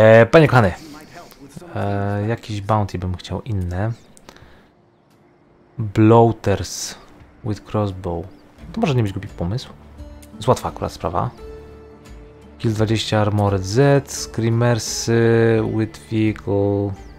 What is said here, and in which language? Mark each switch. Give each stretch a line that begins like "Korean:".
Polish: Panie kochany, jakiś bounty bym chciał inne.
English: Bloaters with crossbow.
Polish: To może nie być głupi pomysł. To jest łatwa akurat sprawa.
English: Kill 20 armored Z, screamers with vehicle.